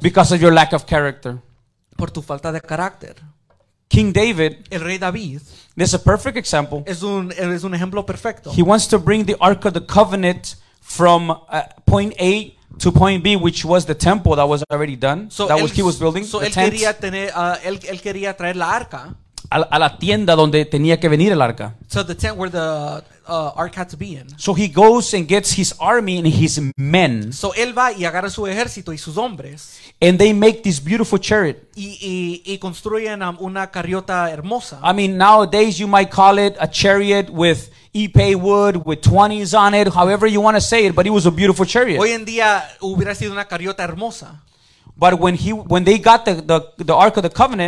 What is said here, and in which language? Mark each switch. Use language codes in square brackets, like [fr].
[en] Because of your lack of character. [es] Por tu falta de carácter. [en] King David. [es] El rey David. [en] This is a perfect example. [es] Es un ejemplo perfecto. [en] He wants to bring the Ark of the Covenant from point A to point B, which was the temple that was already done, so that [es] él, [en] was he was building. So the [es] él quería tener, él quería traer la arca a la tienda donde tenía que venir el arca. [en] So the tent where the ark had to be in. So he goes and gets his army and his men. [es] So él va y agarra su ejército y sus hombres. [en] And they make this beautiful chariot. [es] Y construyen una carriota hermosa. [en] I mean, nowadays you might call it a chariot with Ipey wood with 20s on it, however you want to say it, but it was a beautiful chariot. [es] Hoy en día hubiera sido una carriota hermosa. [en] But when they got the Ark of the Covenant,